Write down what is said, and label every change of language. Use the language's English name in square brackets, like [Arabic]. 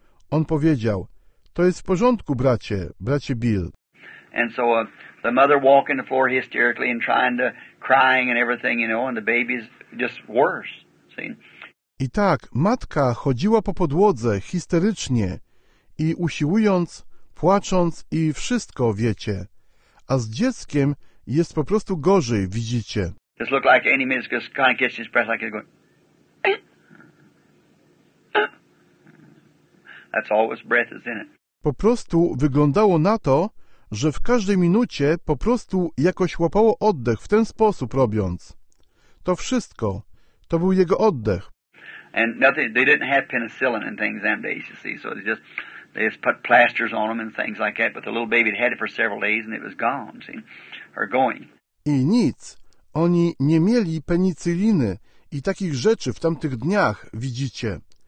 [Polish] On powiedział, to jest w porządku, bracie Bill. [English] And so the mother walking the floor hysterically and trying to crying and everything, you know, and the baby's just worse. See? [Polish] I tak, matka chodziła po podłodze histerycznie i usiłując, płacząc i wszystko, wiecie. A z dzieckiem jest po prostu gorzej, widzicie. [English] This looked like any minute just kind of gets his breath like he's going. That's all his breath is in it. [Polish] Po prostu wyglądało na to, że w każdej minucie po prostu jakoś łapało oddech w ten sposób robiąc. To wszystko. To był jego oddech. [English] And nothing, they didn't have penicillin and things them days, you see. So they just put plasters on them and things like that. But the little baby had had it for several days and it was gone, see, or going. [Polish] I nic. Oni nie mieli penicyliny i takich rzeczy w tamtych dniach, widzicie.